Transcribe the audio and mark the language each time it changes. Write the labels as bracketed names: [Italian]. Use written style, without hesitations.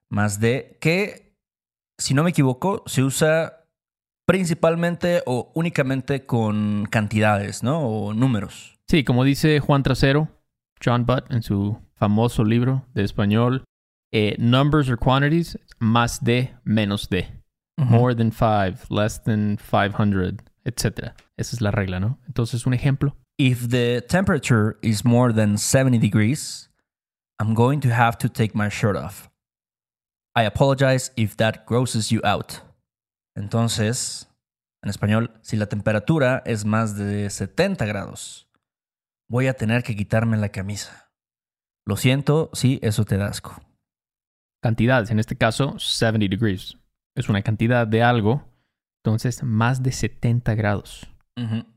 [Spanish] Más de que, si no me equivoco, se usa principalmente o únicamente con cantidades, ¿no? O números. Sí, como dice Juan Trasero, John Butt, en su famoso libro de español, [English] numbers or quantities, [Spanish] más de, menos de. Uh-huh. [English] More than five, less than 500, etc. Esa es la regla, ¿no? Entonces, un ejemplo. If the temperature is more than 70 degrees, I'm going to have to take my shirt off. I apologize if that grosses you out. [Spanish] Entonces, en español, si la temperatura es más de 70 grados, voy a tener que quitarme la camisa. Lo siento si eso te da asco. Cantidades, en este caso, [English] 70 degrees. [Spanish] Es una cantidad de algo, entonces más de 70 grados. Uh-huh.